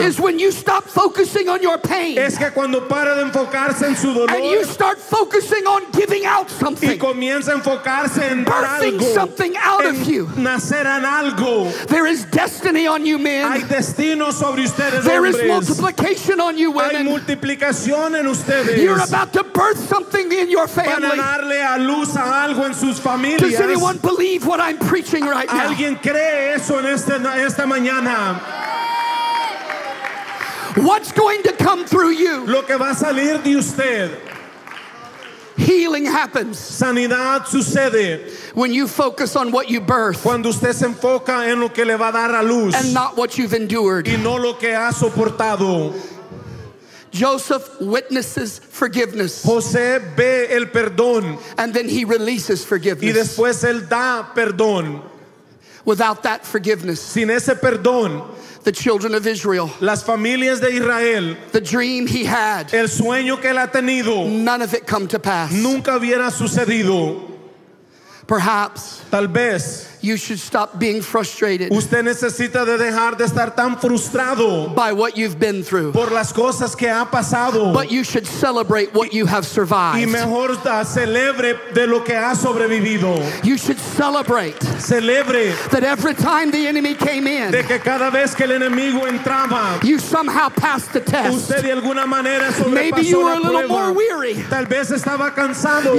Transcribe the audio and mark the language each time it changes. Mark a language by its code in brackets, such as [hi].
[en] Is when you stop focusing on your pain. [es] Es que cuando para de enfocarse en su dolor. [en] And you start focusing on giving out something. [es] Y comienza a enfocarse en dar algo. [en] Something out of you. [es] Nacer en algo. [en] There is destiny on you, men. [es] Hay destino sobre ustedes, [en] there [es] hombres. [en] Is multiplication on you, women. [es] Hay multiplicación en ustedes. [en] You're about to birth something in your family. [es] Van a darle a luz a algo en sus familias. [en] Does anyone believe what I'm preaching right now? [es] ¿Alguien cree eso en esta mañana? [en] What's going to come through you? [es] Lo que va a salir de usted. [en] Healing happens. [es] Sanidad sucede. [en] When you focus on what you birth. [es] Cuando usted se enfoca en lo que le va a dar a luz. [en] And not what you've endured. [es] Y no lo que ha soportado. [en] Joseph witnesses forgiveness. [es] José ve el perdón. [en] And then he releases forgiveness. [es] Y después él da perdón. [en] Without that forgiveness. [es] Sin ese perdón. [en] The children of Israel. [es] Las familias de Israel. [en] The dream he had. [es] El sueño que él ha tenido. [en] None of it come to pass. [es] Nunca hubiera sucedido. [en] Perhaps. [es] Tal vez. [en] You should stop being frustrated. [es] Usted necesita de dejar de estar tan frustrado. [en] By what you've been through. [es] Por las cosas que ha pasado. [en] But you should celebrate what you have survived. [es] Y mejor celebre de lo que ha sobrevivido. [en] You should celebrate. [es] Celebre. [en] That every time the enemy came in. [es] De que cada vez que el enemigo entraba. [en] You somehow passed the test. [es] Usted de alguna manera sobrepasó la prueba. [en] Maybe you were a little more weary. [es] Tal vez estaba cansado.